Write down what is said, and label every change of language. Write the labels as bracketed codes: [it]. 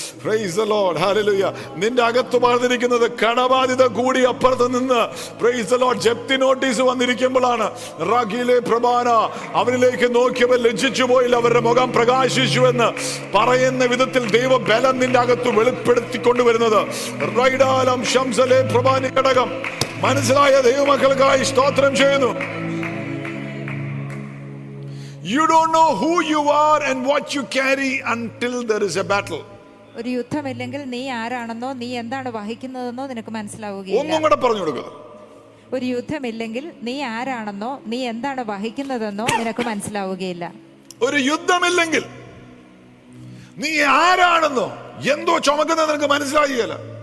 [ml] Praise the Lord, hallelujah. നിന്റെ അകത്ത് പറഞ്ഞിരിക്കുന്നത് കടബാധിത കൂടി അപ്പുറത്ത് നിന്ന് പ്രൈസ് ദ ലോർഡ് ജപ്തി നോട്ടീസ് വന്നിരിക്കുമ്പോഴാണ് റാഖിലെ പ്രഭാന അവരിലേക്ക് നോക്കിയപ്പോൾ ലജ്ജിച്ചു പോയില്ല, അവരുടെ മുഖം പ്രകാശിച്ചു എന്ന് പറയുന്ന വിധത്തിൽ ദൈവ ബലം നിന്റെ അകത്ത് വെളിപ്പെടുത്തിക്കൊണ്ടു വരുന്നത്. റൈഡാലം ശംസലേ പ്രഭാന കടകം മനസ്സിലായ ദൈവമക്കൾക്കായി സ്തോത്രം ചെയ്യുന്നു. [en] You don't know who you are and what you carry until there is a battle. [ml] ഒരു യുദ്ധം ഇല്ലെങ്കിൽ നീ ആരാണെന്നോ നീ എന്താണ് വഹിക്കുന്നതെന്നോ നിനക്ക് മനസ്സിലാവുകയില്ല. ഒന്നും കൂടെ പറഞ്ഞു കൊടുക്കുക. ഒരു യുദ്ധം ഇല്ലെങ്കിൽ നീ ആരാണെന്നോ നീ എന്താണ് വഹിക്കുന്നതെന്നോ നിനക്ക് മനസ്സിലാവുകയില്ല. ഒരു യുദ്ധം ഇല്ലെങ്കിൽ നീ ആരാണെന്നോ എന്തോ ചുമക്കുന്നത് നിനക്ക് മനസ്സിലാവുകയില്ല.